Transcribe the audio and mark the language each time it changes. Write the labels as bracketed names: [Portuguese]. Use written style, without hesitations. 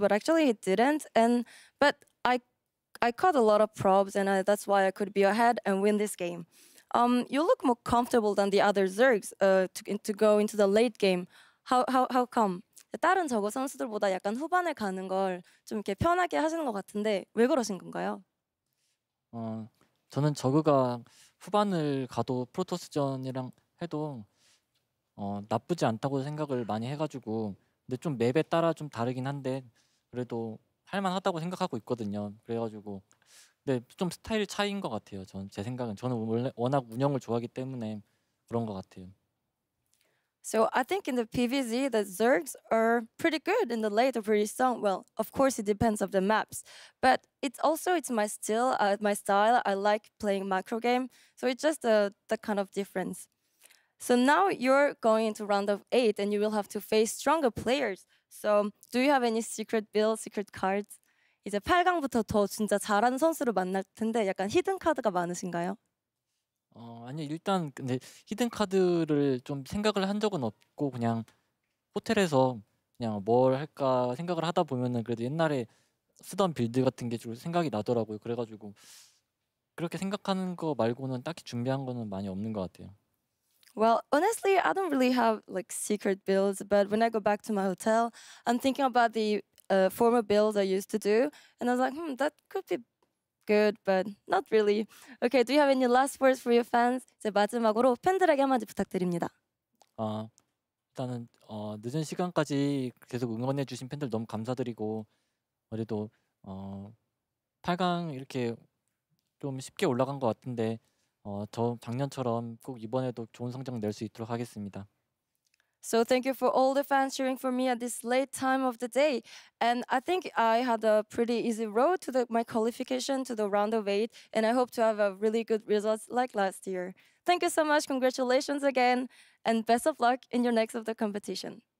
[English] But actually, he didn't. But I caught a lot of probes, and that's why I could be ahead and win this game. You look more comfortable than the other Zergs to go into the late game. How come? [Korean] 다른 저거 선수들보다 약간 후반에 가는 걸 좀 이렇게 편하게 하시는 것 같은데 왜 그러신 건가요? 저는 저그가 후반을 가도 프로토스전이랑 해도 나쁘지 않다고 생각을 많이 해가지고 근데 좀 맵에 따라 좀 다르긴 한데 그래도 할만하다고 생각하고 있거든요. 그래가지고 근데 좀 스타일 차이인 것 같아요. 제 생각은 저는 워낙 운영을 좋아하기 때문에 그런 것 같아요. [English] So I think in the PvZ, the Zergs are pretty good in the late or pretty strong. Well, of course, it depends on the maps. But it's my style. I like playing macro game. So it's just the kind of difference. So now you're going into round of eight and you will have to face stronger players. So do you have any secret build, secret cards? [Korean] 이제 8강부터 더 진짜 잘하는 선수를 만날 텐데 약간 히든 카드가 많으신가요? 아니요. 일단 근데 히든 카드를 좀 생각을 한 적은 없고 그냥 호텔에서 그냥 뭘 할까 생각을 하다 보면은 그래도 옛날에 쓰던 빌드 같은 게 좀 생각이 나더라고요. 그래가지고 그렇게 생각하는 거 말고는 딱히 준비한 거는 많이 없는 것 같아요. [English] Well, honestly, I don't really have like secret builds, but when I go back to my hotel, I'm thinking about the former builds I used to do, and I was like, that could be good, but not really. Okay, do you have any last words for your fans? [Korean] 이제 마지막으로 팬들에게 한마디 부탁드립니다. 일단은 늦은 시간까지 계속 응원해 주신 팬들 너무 감사드리고 그래도 8강 이렇게 좀 쉽게 올라간 것 같은데 저 작년처럼 꼭 이번에도 좋은 성적 낼 수 있도록 하겠습니다. [English] So thank you for all the fans cheering for me at this late time of the day. And I think I had a pretty easy road to my qualification to the round of 8 and I hope to have a really good result like last year. Thank you so much. Congratulations again. And best of luck in your next of the competition.